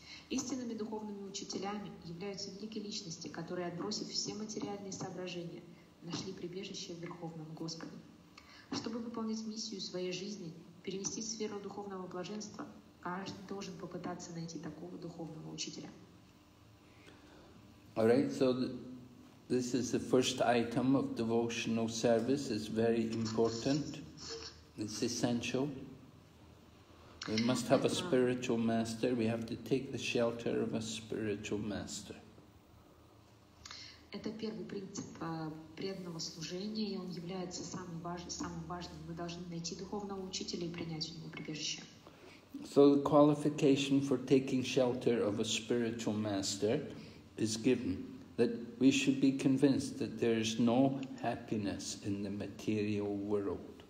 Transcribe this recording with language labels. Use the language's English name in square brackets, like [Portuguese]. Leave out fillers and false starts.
[Russian] Истинными духовными учителями являются великие личности, которые, отбросив все материальные соображения, нашли прибежище в Верховном Господе. Чтобы выполнить миссию своей жизни, перевести в сферу духовного блаженства, каждый должен попытаться найти такого духовного учителя. [English] All right, so this is the first item of devotional service. It's very important. It's essential. We must have a spiritual master. We have to take the shelter of a spiritual master. [Russian] Это первый принцип преданного служения, и он является самым важным. Мы должны найти духовного учителя и принять у него прибежище. [English] So the qualification for taking shelter of a spiritual master is given, that we should be convinced that there is no happiness in the material world.